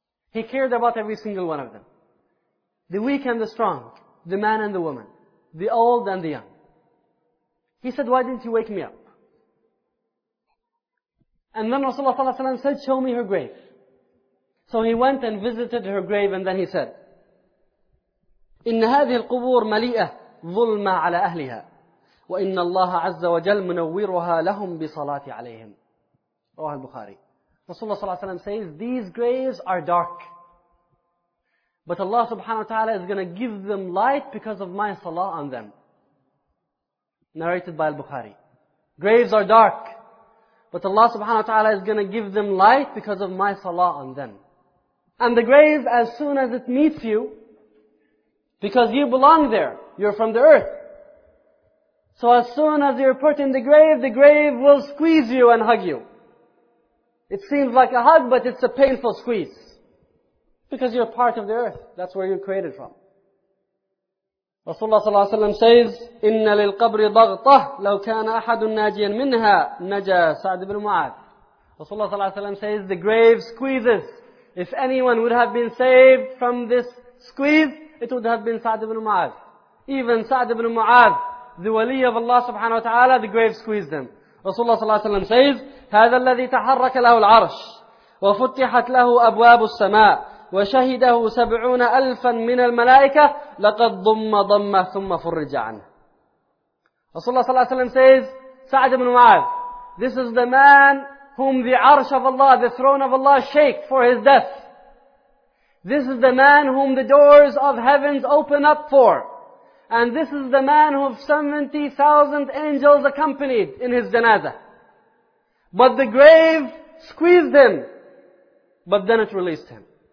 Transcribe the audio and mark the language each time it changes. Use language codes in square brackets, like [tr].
[en] He cared about every single one of them. The weak and the strong, the man and the woman, the old and the young. He said, why didn't you wake me up? And then Rasulullah صلى الله عليه وسلم said, show me her grave. So he went and visited her grave and then he said, [ar] إِنَّ هَذِهِ الْقُبُورِ مَلِيئَةٌ ظُلْمًا عَلَى أَهْلِهَا وَإِنَّ اللَّهَ عَزَّ وَجَلْ مُنَوِّرُهَا لَهُمْ بِصَلَاتِ عَلَيْهِمْ رواه البخاري. [en] Rasulullah صلى الله عليه وسلم says, these graves are dark. But Allah subhanahu wa ta'ala is going to give them light because of my salah on them. Narrated by al-Bukhari. Graves are dark. But Allah subhanahu wa ta'ala is going to give them light because of my salah on them. And the grave, as soon as it meets you, because you belong there, you're from the earth. So as soon as you're put in the grave will squeeze you and hug you. It seems like a hug, but it's a painful squeeze. Because you're part of the earth. That's where you're created from. [ar] Rasulullah صلى الله عليه وسلم says, إِنَّ لِلْقَبْرِ ضَغْطَهُ لَوْ كَانَ أَحَدٌ نَاجِيًا مِنْهَا نَجَى سَعْدِ بْنُ مُعَاذِ Rasulullah صلى الله عليه وسلم [en] says, the grave squeezes. If anyone would have been saved from this squeeze, it would have been [ar] سَعْدِ بْنُ مُعَاذِ [en] Even سَعْدِ بْنُ مُعَاذِ, the wali of Allah subhanahu wa ta'ala, the grave squeezed him. [ar] Rasulullah صلى الله عليه وسلم says, هَذَا الَّذِي تَحَرَّكَ لَهُ الْعَرْشِ وَفُتِّحَتْ لَهُ أَبْوَابُ السَّمَاءِ وَشَهِدَهُ 70,000 من الملائكة لقد ضُمَّ ضَمَّ ثُمَّ فُرِّجَ عَنْهُ Rasulullah صلى الله عليه وسلم says, [en] Sa'd ibn Mu'adh, this is the man whom the arsh of Allah, the throne of Allah shake for his death. This is the man whom the doors of heavens open up for. And this is the man who 70,000 angels accompanied in his janazah. But the grave squeezed him, but then it released him.